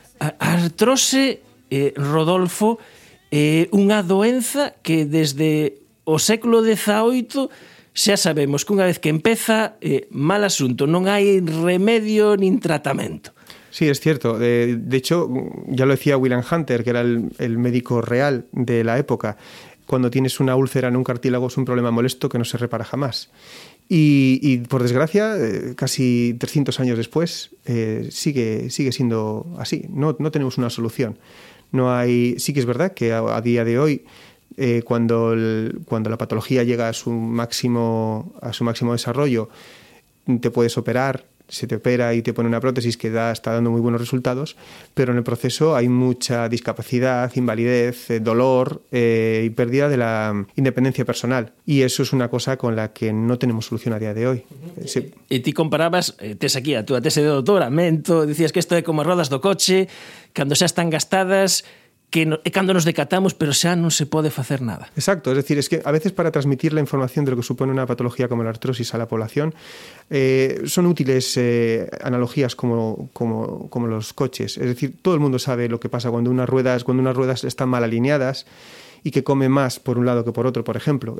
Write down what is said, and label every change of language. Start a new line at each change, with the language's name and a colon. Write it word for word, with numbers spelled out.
Galician: Artrose, eh, Rodolfo, eh, unha doenza que desde o século dezaoito xa sabemos que unha vez que empeza, eh, mal asunto, non hai remedio nin tratamento.
Spanish: Sí, es cierto. De, de hecho, ya lo decía William Hunter, que era el, el médico real de la época. Cuando tienes una úlcera en un cartílago es un problema molesto que no se repara jamás. Y, y por desgracia, casi trescientos años después, eh, sigue, sigue siendo así. No, no tenemos una solución. No hay... Sí que es verdad que a, a día de hoy, Eh, cuando, el, cuando la patología llega a su máximo, a su máximo desarrollo, te puedes operar, se te opera y te pone una prótesis que da, está dando muy buenos resultados, pero en el proceso hay mucha discapacidad, invalidez, eh, dolor eh, y pérdida de la independencia personal. Y eso es una cosa con la que no tenemos solución a día de hoy. Uh-huh. Sí.
Galician: E, e ti comparabas, eh, tes aquí a túa tese de doutoramento, dicías que isto é como as rodas do coche, cando xa están gastadas, que no, e cando nos decatamos, pero xa non se pode facer nada.
Spanish: Exacto, es decir, es que a veces para transmitir la información de lo que supone una patología como la artrosis a la población eh, son útiles eh, analogías como, como, como los coches. Es decir, todo el mundo sabe lo que pasa cuando unas ruedas, cuando unas ruedas están mal alineadas y que come más por un lado que por otro, por ejemplo.